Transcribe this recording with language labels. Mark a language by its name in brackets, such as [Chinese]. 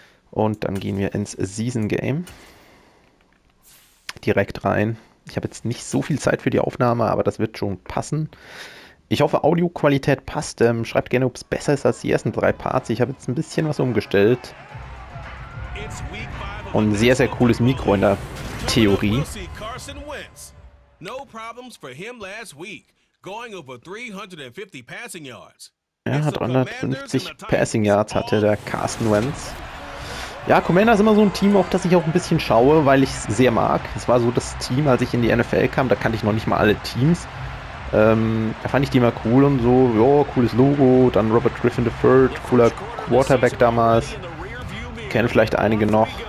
[German] Und dann gehen wir ins Season Game. Direkt rein. Ich habe jetzt nicht so viel Zeit für die Aufnahme, aber das wird schon passen. Ich hoffe, Audioqualität passt. Schreibt gerne, ob es besser ist als die ersten drei Parts. Ich habe jetzt ein bisschen was umgestellt. Und ein sehr, sehr cooles Mikro in der Theorie. Carson Wentz. [English] No problems for him last week. Going over 350 passing yards. [German] Ja, 350 Passing Yards hatte der Carson Wentz. Ja, Commander ist immer so ein Team, auf das ich auch ein bisschen schaue, weil ich es sehr mag. Es war so das Team, als ich in die NFL kam, da kannte ich noch nicht mal alle Teams. Da fand ich die immer cool und so. Jo, cooles Logo, dann Robert Griffin III, cooler Quarterback damals. Kennen vielleicht einige noch.